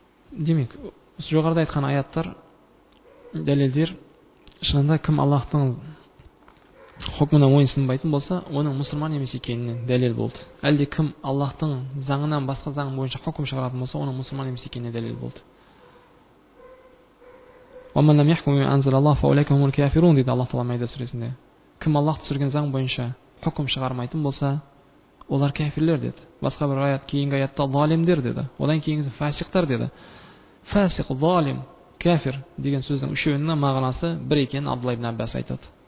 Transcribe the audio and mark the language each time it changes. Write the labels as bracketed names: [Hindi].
[Kazakh] Демек, жоғарыда айтқан аяттар, дәлелдер, шынында кім Аллахтың хүкміне мойынсынбайтын болса, оның мұсылман емес екеніне дәлел болды. Әлде кім Аллахтың заңынан басқа заң бойынша хүкім шығаратын болса, оның мұсылман емес екеніне дәлел болды. [Arabic] وَمَنْ لَمْ يَحْكُمْ بِمَا أَنْزَلَ اللَّهُ فَأُولَئِكَ هُمُ الْكَافِرُونَ [Kazakh] дейді Аллах Тағала Майда сүресінде. Кім Аллах түсірген заң бойынша хүкім шығармайтын болса, олар кәфірлер деді. Басқа бір аят, кейінгі аятта залимдер деді. Одан кейінгісі фасиқтар деді. Фасиқ, залим, кәфір деген сөздің үшеуінің мағынасы бір екенін Абдулла ибн Аббас айтады.